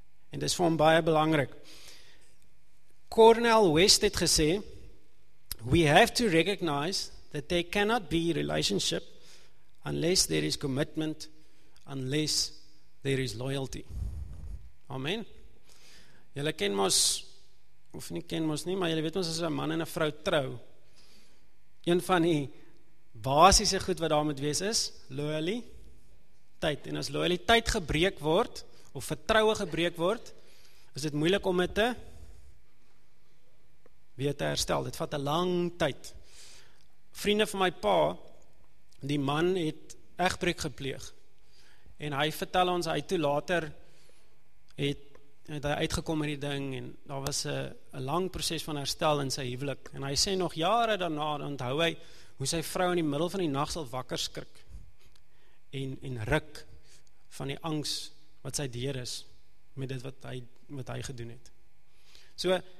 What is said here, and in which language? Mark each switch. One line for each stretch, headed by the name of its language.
Afrikaans: En dis vir hom baie belangrik. Cornel West het gesê,
English: we have to recognize that there cannot be relationship unless there is commitment, unless there is loyalty.
Afrikaans: Amen. Julle ken mos, of nie ken mos nie, maar julle weet mos as 'n man en 'n vrou trou, een van die basiese goed wat daar moet wees is, loyaliteit. En as loyaliteit gebreek word, of vertroue gebreek word, is dit moeilik om dit te weer te herstel. Dit vat 'n lang tyd. Vriende van my pa, die man het egbreuk gepleeg. En hy vertel ons, hy toe later het hy uitgekom met die ding en daar was 'n lang proses van herstel in sy huwelik. En hy sê nog jare daarna onthou hy hoe sy vrou in die middel van die nag sal wakker skrik en ruk van die angs wat sy deur is met dit wat hy gedoen het. So